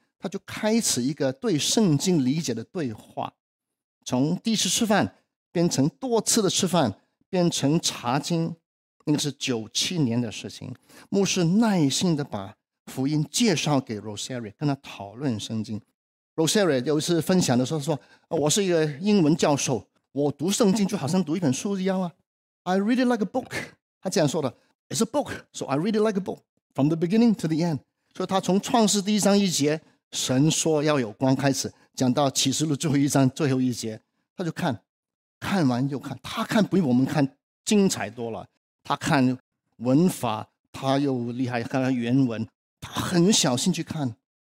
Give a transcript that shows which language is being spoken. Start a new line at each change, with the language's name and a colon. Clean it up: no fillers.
Chinese: 他就开始一个对圣经理解的对话，从第一次吃饭变成多次的吃饭，变成查经。那个是97年的事情。牧师耐心的把福音介绍给 Rosary， 跟他讨论圣经。 Rosary 有一次分享的时候说，我是一个英文教授，我读圣经就好像读一本书一样啊。
English: I read it like a book，
Chinese: 他这样说的，
English: It's a book， so I read it like a book from the beginning to the end。
Chinese: 所以他从创世第一章一节神说要有光开始，讲到启示录最后一章最后一节，他就看，看完就看，他看比我们看精彩多了。他看文法他又厉害，看原文他很小心去看。